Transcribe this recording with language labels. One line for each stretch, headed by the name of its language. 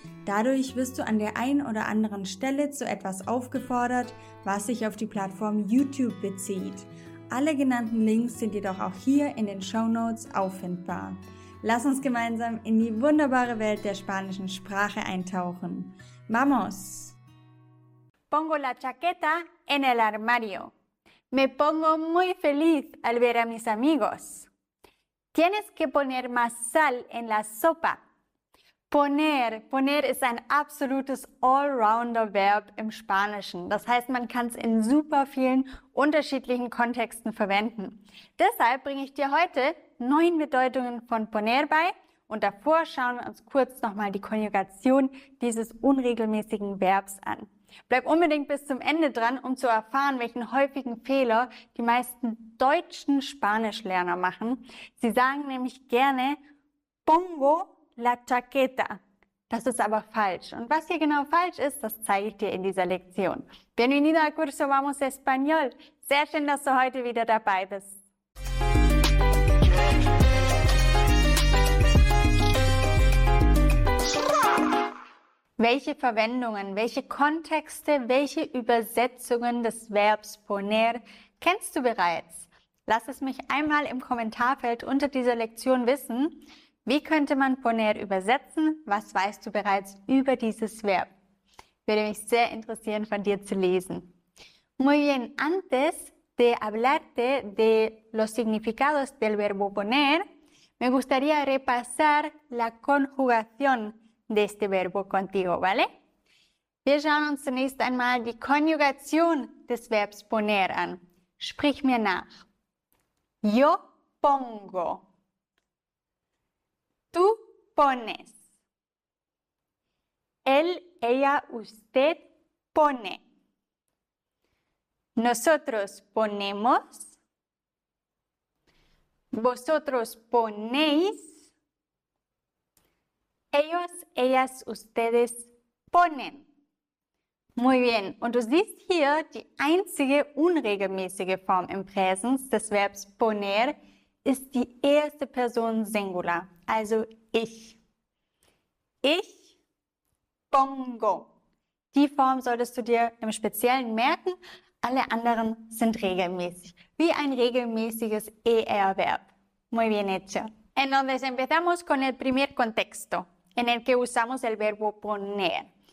German: Dadurch wirst du an der einen oder anderen Stelle zu etwas aufgefordert, was sich auf die Plattform YouTube bezieht. Alle genannten Links sind jedoch auch hier in den Shownotes auffindbar. Lass uns gemeinsam in die wunderbare Welt der spanischen Sprache eintauchen.
Spanish: ¡Vamos! Pongo la chaqueta en el armario. Me pongo muy feliz al ver a mis amigos. Tienes que poner más sal en la sopa.
German: Poner ist ein absolutes Allrounder-Verb im Spanischen. Das heißt, man kann es in super vielen unterschiedlichen Kontexten verwenden. Deshalb bringe ich dir heute 9 Bedeutungen von poner bei. Und davor schauen wir uns kurz nochmal die Konjugation dieses unregelmäßigen Verbs an. Bleib unbedingt bis zum Ende dran, um zu erfahren, welchen häufigen Fehler die meisten deutschen Spanischlerner machen. Sie sagen nämlich gerne
Spanish: pongo la chaqueta.
German: Das ist aber falsch. Und was hier genau falsch ist, das zeige ich dir in dieser Lektion.
Spanish: Bienvenido al curso Vamos Español.
German: Sehr schön, dass du heute wieder dabei bist. Welche Verwendungen, welche Kontexte, welche Übersetzungen des Verbs poner kennst du bereits? Lass es mich einmal im Kommentarfeld unter dieser Lektion wissen. Wie könnte man poner übersetzen? Was weißt du bereits über dieses Verb? Würde mich sehr interessieren, von dir zu lesen.
Spanish: Muy bien, antes de hablarte de los significados del verbo poner, me gustaría repasar la conjugación de este verbo contigo, ¿vale?
German: Wir schauen uns zunächst einmal die Konjugation des Verbs poner an. Sprich mir nach.
Spanish: Yo pongo. Tú pones. Él, ella, usted pone. Nosotros ponemos. Vosotros ponéis. Ellos, ellas, ustedes ponen. Muy bien.
German: Und du siehst hier, die einzige unregelmäßige Form im Präsens des Verbs poner ist die erste Person Singular. Also ich. Ich pongo. Die Form solltest du dir im Speziellen merken. Alle anderen sind regelmäßig. Wie ein regelmäßiges ER-Verb.
Spanish: Muy bien hecho. Entonces empezamos con el primer contexto en el que usamos el verbo poner.